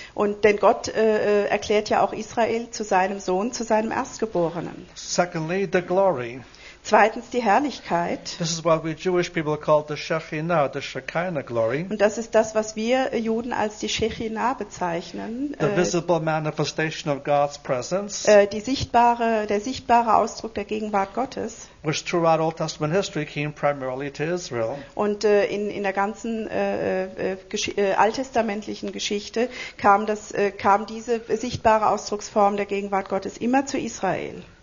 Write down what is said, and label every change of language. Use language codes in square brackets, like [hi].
[de] Und denn Gott erklärt ja auch Israel zu seinem Sohn, zu seinem Erstgeborenen. [en] Secondly, the glory. [de] Zweitens die Herrlichkeit. [en] This is what we Jewish people call the Shekhinah, the Shekinah glory. [de] Und das ist das, was wir Juden als die Shekhinah bezeichnen. [en] The visible manifestation of God's presence. [de] Der sichtbare Ausdruck der Gegenwart Gottes. [en] Which throughout Old Testament history came primarily to Israel. [de] Und in der ganzen alttestamentlichen Geschichte kam diese sichtbare Ausdrucksform der Gegenwart Gottes immer zu Israel.